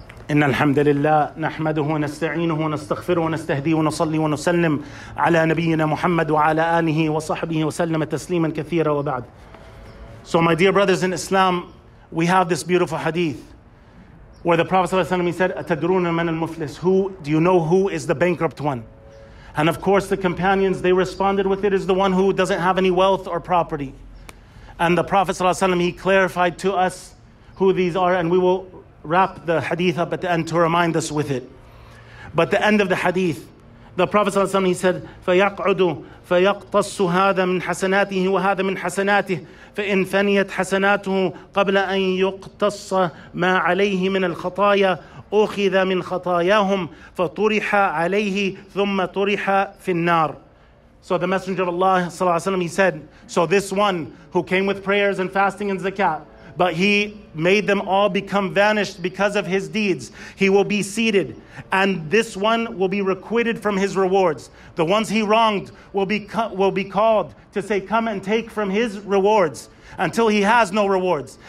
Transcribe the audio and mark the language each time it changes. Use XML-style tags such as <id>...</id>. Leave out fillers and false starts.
<ar>إن الحمد لله نحمده ونستعينه ونستغفره ونستهديه ونصلي ونسلم على نبينا محمد وعلى آله وصحبه وسلم تسليما كثيرا وبعد.</ar> <en>So my dear brothers in Islam, we have this beautiful hadith where the Prophet صلى الله عليه وسلم said,</en> <ar>أتدرون من المفلس,</ar> <en>who, do you know who is the bankrupt one? And of course the companions, they responded with, it is the one who doesn't have any wealth or property. And the Prophet صلى الله عليه وسلم, he clarified to us who these are, and we will wrap the hadith up at the end to remind us with it.</en> <ar>But the end of the hadith, the Prophet ﷺ, he said, فَيَقْعُدُ فَيَقْتَصُ هَذَا مِنْ حَسَنَاتِهِ وَهَذَا مِنْ حَسَنَاتِهِ فَإِنْ فَنِيَتْ حَسَنَاتُهُ قَبْلَ أَنْ يُقْتَصَ مَا عَلَيْهِ مِنَ الْخَطَايَا أُخِذَ مِنْ خَطَايَاهُمْ فَطُرِحَ عَلَيْهِ ثُمَّ طُرِحَ فِي النَّارِ.</ar> <en>So the Messenger of Allah ﷺ, he said, so this one who came with prayers and fasting and zakat, but he made them all become vanished because of his deeds, he will be seated, and this one will be requited from his rewards. The ones he wronged will be called to say, come and take from his rewards, until he has no rewards.</en>